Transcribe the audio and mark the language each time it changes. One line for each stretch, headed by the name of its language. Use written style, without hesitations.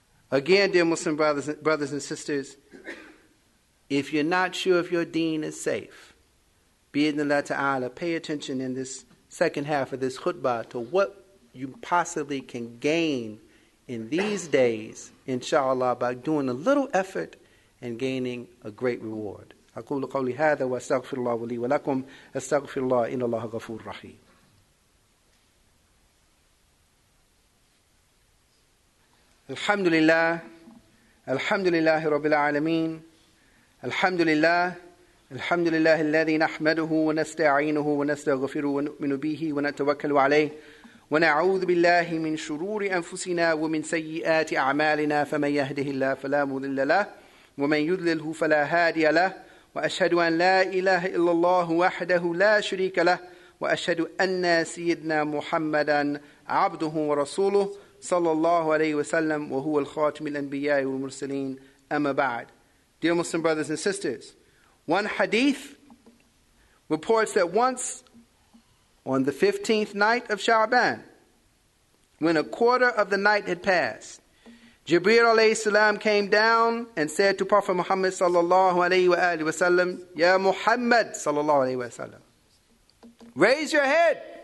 English: Again, dear Muslim brothers and sisters, if you're not sure if your deen is safe, bi'idhnillah ta'ala, pay attention in this second half of this khutbah to what you possibly can gain in these days, inshallah, by doing a little effort and gaining a great reward.
Arabic: أقول قولي هذا وأستغفر الله لي ولكم أستغفر الله إن الله غفور رحيم. الحمد لله الحمد لله رب العالمين الحمد لله الحمد لله الذي نحمده ونستعينه ونستغفره ونؤمن به ونتوكل عليه ونعوذ بالله من شرور أنفسنا ومن سيئات أعمالنا فمن يهده الله فلا مضل له ومن يضلله فلا هادي له وأشهد أن لا إله إلا الله وحده لا شريك له وأشهد أن سيدنا محمدا عبده ورسوله صلى الله عليه وسلم وهو الخاتم الأنبياء والمرسلين أما بعد.
English: Dear Muslim brothers and sisters, one hadith reports that once on the 15th night of Sha'ban, when a quarter of the night had passed, Jibreel alayhi salam came down and said to Prophet Muhammad sallallahu alayhi wa sallam, Ya Muhammad sallallahu alayhi wa sallam, raise your head.